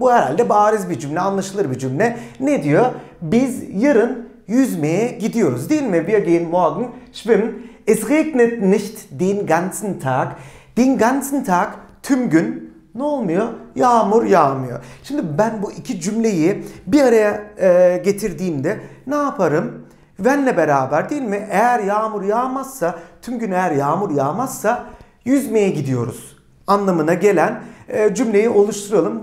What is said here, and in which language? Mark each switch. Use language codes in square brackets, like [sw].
[tr] Bu herhalde bariz bir cümle, anlaşılır bir cümle. Ne diyor? Biz yarın yüzmeye gidiyoruz değil mi? [de] Wir gehen morgen schwimmen. Es regnet nicht den ganzen Tag. Den ganzen Tag, [tr] tüm gün. Ne olmuyor? Yağmur yağmıyor. Şimdi ben bu iki cümleyi bir araya getirdiğimde ne yaparım? Wenn'le beraber değil mi? Eğer yağmur yağmazsa, tüm gün eğer yağmur yağmazsa yüzmeye gidiyoruz anlamına gelen cümleyi oluşturalım.